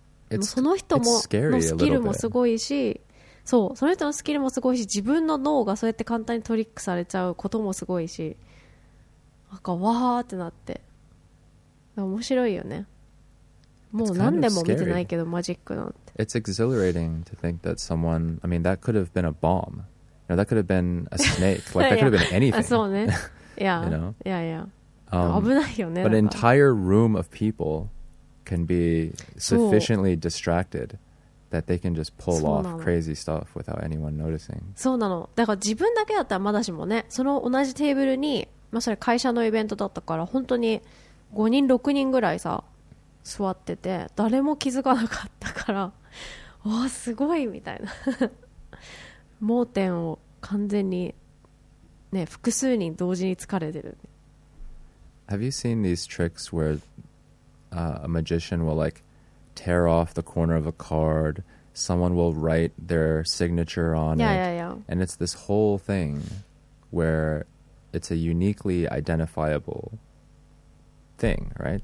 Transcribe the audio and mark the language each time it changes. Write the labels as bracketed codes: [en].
[ja] もその人ものスキルもすごいし、そう、その人のスキルもすごいし自分の脳がそうやって簡単にトリックされちゃうこともすごいし、なんかわーってなって面白いよね。もう何でも見てないけどマジックなんて。 [en] It's exhilarating to think that someone, I mean, that could have been a bomb. You know, that could have been a snake. Like, that could have been anything. [ja] そうね。 [en] Yeah. You know? Yeah, yeah. [ja] 危ないよね。 [en] But an entire room of people can be sufficiently distracted that they can just pull off crazy stuff without anyone noticing. [ja] そうなの。だから自分だけだったらまだしもね、その同じテーブルに、まあそれ会社のイベントだったから、本当に5人、6人ぐらいさ、座ってて誰も気づかなかったからわーすごいみたいな盲点を完全にね複数人同時に疲れてる。 [en] Have you seen these tricks where、a magician will like tear off the corner of a card, someone will write their signature on yeah, it yeah, yeah. and it's this whole thing where it's a uniquely identifiableThing, right?